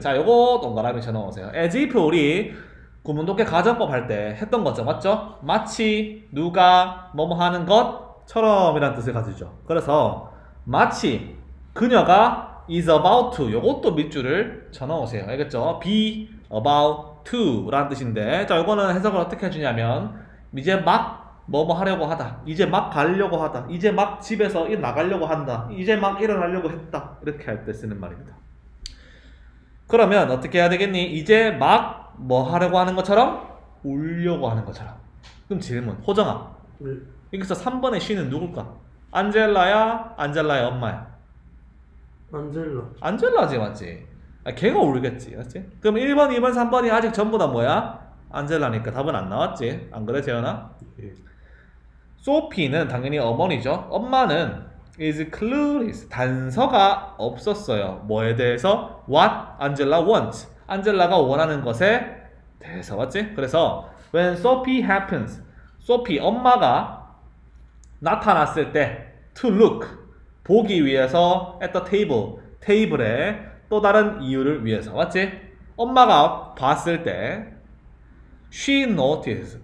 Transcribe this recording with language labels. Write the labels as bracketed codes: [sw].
[ko] 자, 요거 동그라미 쳐 넣으세요. As if 우리 구문독해 가정법 할 때 했던 거죠. 맞죠? 마치 누가 뭐뭐 하는 것처럼 이란 뜻을 가지죠. 그래서 마치 그녀가 is about to. 요것도 밑줄을 쳐 넣으세요. 알겠죠? Be about to 라는 뜻인데. 자, 요거는 해석을 어떻게 해주냐면 이제 막 뭐뭐 하려고 하다. 이제 막 가려고 하다. 이제 막 집에서 나가려고 한다. 이제 막 일어나려고 했다. 이렇게 할 때 쓰는 말입니다. 그러면 어떻게 해야 되겠니? 이제 막 뭐 하려고 하는 것처럼? 울려고 하는 것처럼. 그럼 질문. 호정아. 네. 여기서 3번의 신은 누굴까? 안젤라야? 안젤라의 엄마야? 안젤라. 안젤라지, 맞지? 아, 걔가 울겠지, 맞지? 그럼 1번, 2번, 3번이 아직 전부 다 뭐야? 안젤라니까 답은 안 나왔지. 안 그래, 재현아? 소피는 당연히 어머니죠. 엄마는 [en] is clueless. [ko] 단서가 없었어요. 뭐에 대해서? [en] What Angela wants. [ko] 안젤라가 원하는 것에 대해서 맞지? 그래서 [en] when Sophie happens. [ko] 소피 엄마가 나타났을 때 [en] to look [ko] 보기 위해서 [en] at the table. [ko] 테이블에 또 다른 이유를 위해서 맞지? 엄마가 봤을 때 [en] she noticed.